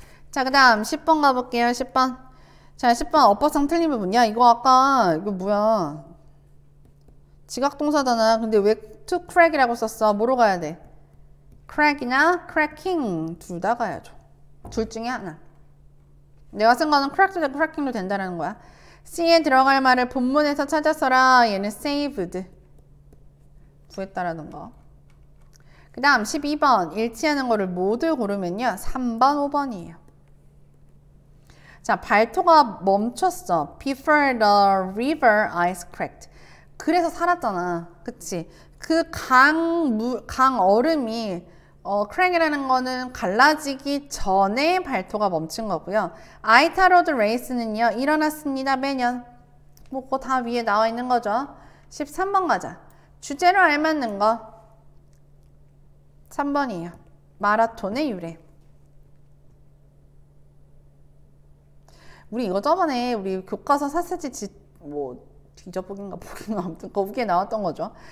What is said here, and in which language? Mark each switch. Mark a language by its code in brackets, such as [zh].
[ko] 자, 그 다음 10번 가볼게요, 10번. 자, 10번, 엇박상 틀린 부분이야. 이거 아까, 이거 뭐야. 지각동사잖아. 근데 왜 to crack이라고 썼어? 뭐로 가야 돼? crack이나 cracking. 둘다 가야죠. 둘 중에 하나. 내가 쓴 거는 crack도 되고 cracking도 된다라는 거야. C에 들어갈 말을 본문에서 찾아서라. 얘는 saved. 구했다라는 거. 그 다음 12번. 일치하는 거를 모두 고르면요. 3번, 5번이에요. 자, 발토가 멈췄어. [en] Before the river ice cracked. [ko] 그래서 살았잖아. 그치? 그 강 얼음이, crack이라는 거는 갈라지기 전에 발토가 멈춘 거고요. I tarot race는요, 일어났습니다. 매년. 뭐, 그거 다 위에 나와 있는 거죠. 13번 가자. 주제로 알맞는 거. 3번이에요. 마라톤의 유래. 우리 이거 저번에 우리 교과서 사세지 뭐 뒤져보긴가 보긴가 아무튼 거기에 나왔던 거죠.